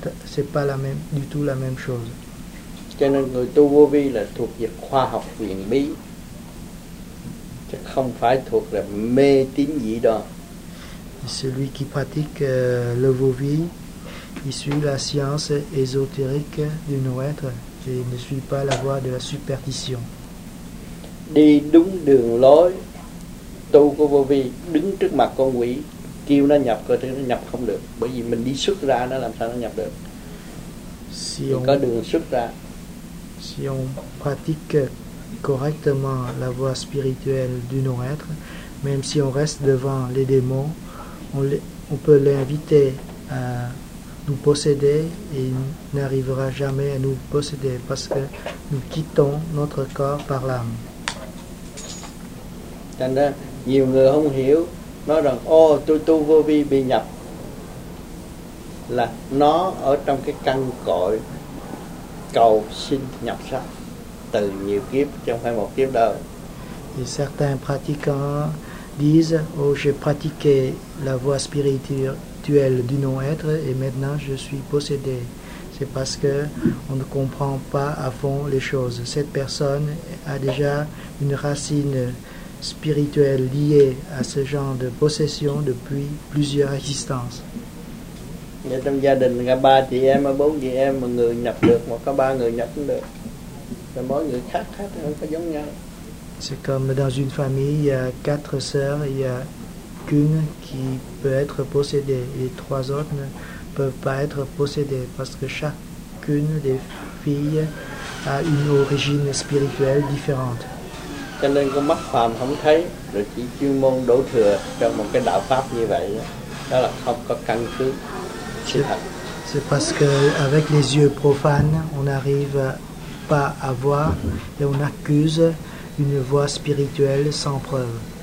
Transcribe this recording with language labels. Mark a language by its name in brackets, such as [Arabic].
[French] C'est pas du tout la même chose. [Vietnamese] Cho nên người tu vô vi là thuộc về khoa học huyền bí, chứ không phải thuộc là mê tín dị đoan. [French] Celui qui pratique le vô vi il suit la science ésotérique du non-être et ne suit pas la voie de la superstition. [Vietnamese] Đi đúng đường lối, tu của vô vi đứng trước mặt con quỷ kêu nó nhập cơ thì nó nhập không được, bởi vì mình đi xuất ra nó làm sao nó nhập được. [French] Si [Vietnamese] on, có đường xuất ra. [French] Si on pratique correctement la voie spirituelle du non-être, même si on reste devant les démons, on peut l'inviter à nous posséder et n'arrivera jamais à nous posséder parce que nous quittons notre corps par l'âme. [Vietnamese] Cho nên nhiều người không hiểu, nói rằng oh tôi tu vô vi bị nhập là nó ở trong cái căn cội cầu xin nhập sắc từ nhiều kiếp chứ không phải một kiếp đâu. [French] Et certains pratiquants disent oh j'ai pratiqué la voie spirituelle du non-être et maintenant je suis possédé. C'est parce que on ne comprend pas à fond les choses. Cette personne a déjà une racine spirituelle liée à ce genre de possession depuis plusieurs existences. [Vietnamese] Trong gia đình có ba chị em, bốn chị em, một người nhập được, một có ba người nhập cũng được. Mỗi người khác không có giống nhau. [French] C'est comme dans une famille, il y a quatre sœurs, il y a qu'une qui peut être possédée. Les trois autres ne peuvent pas être possédées parce que chacune des filles a une origine spirituelle différente. [Vietnamese] Cho nên con mắt phàm không thấy, rồi chỉ chuyên môn đổ thừa cho một cái đạo pháp như vậy, đó là không có căn cứ. [French] C'est parce que avec les yeux profanes, on n'arrive pas à voir et on accuse une voie spirituelle sans preuve.